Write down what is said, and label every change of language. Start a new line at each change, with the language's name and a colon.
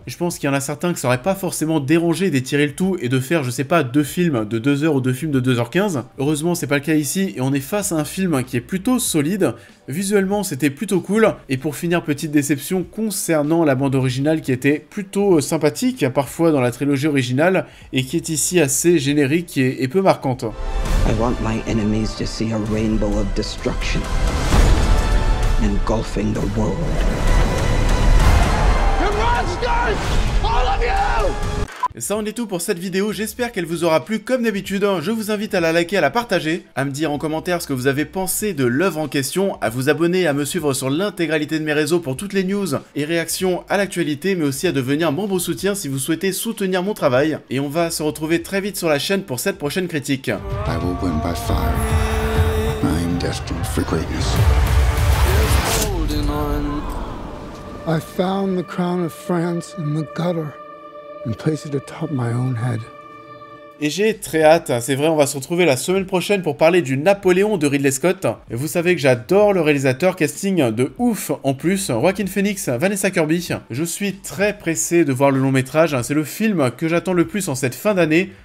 French: Je pense qu'il y en a certains que ça aurait pas forcément dérangé d'étirer le tout et de faire, je sais pas, deux films de 2h ou deux films de 2h15. Heureusement, c'est pas le cas ici, et on est face à un film qui est plutôt solide. Visuellement, c'était plutôt cool. Et pour finir, petite déception concernant la bande originale qui était plutôt sympathique, parfois dans la trilogie originale, et qui est ici assez générique et peu marquante.
English: I want my enemies to see a rainbow of destruction engulfing the world. You monsters! All of you!
French: Ça en est tout pour cette vidéo, j'espère qu'elle vous aura plu comme d'habitude, je vous invite à la liker, à la partager, à me dire en commentaire ce que vous avez pensé de l'œuvre en question, à vous abonner, à me suivre sur l'intégralité de mes réseaux pour toutes les news et réactions à l'actualité, mais aussi à devenir membre soutien si vous souhaitez soutenir mon travail. Et on va se retrouver très vite sur la chaîne pour cette prochaine critique.
English: I will win by fire. I'm destined for greatness. I found the crown of France in the gutter. And place it atop my own head.
French: Et j'ai très hâte, c'est vrai, on va se retrouver la semaine prochaine pour parler du Napoléon de Ridley Scott. Et vous savez que j'adore le réalisateur, casting de ouf en plus, Joaquin Phoenix, Vanessa Kirby. Je suis très pressé de voir le long métrage, c'est le film que j'attends le plus en cette fin d'année.